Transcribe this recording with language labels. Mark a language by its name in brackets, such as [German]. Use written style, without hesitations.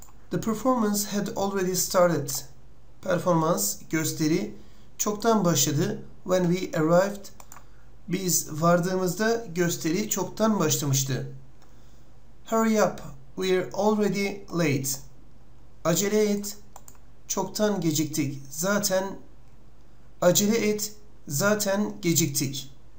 [English] The performance had already started. [Turkish] Performans, gösteri, çoktan başladı. [English] When we arrived, [Turkish] biz vardığımızda gösteri çoktan başlamıştı. [English] Hurry up, we're already late. [Turkish] Acele et, çoktan geciktik. Zaten, acele et, zaten geciktik.